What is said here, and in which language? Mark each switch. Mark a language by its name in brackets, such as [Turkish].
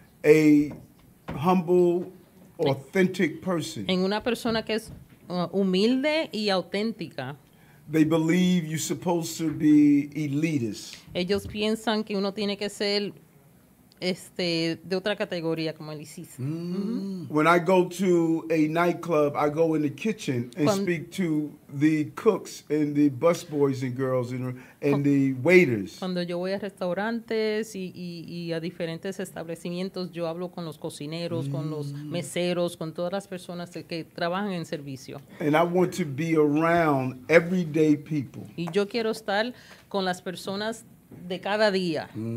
[English] A humble, authentic person. [Spanish] En una persona que es humilde y auténtica. [English] They believe you're supposed to be elitist. [Spanish] Ellos piensan que uno tiene que ser de otra categoría como elitista. Mm. [English] When I go to a nightclub, I go in the kitchen and speak to the cooks and the busboys and girls and the waiters. [Spanish] Cuando yo voy a restaurantes y a diferentes establecimientos, yo hablo con los cocineros, con los meseros, con todas las personas que trabajan en servicio. [English] And I want to be around everyday people. [Spanish] Y yo quiero estar con las personas de cada día.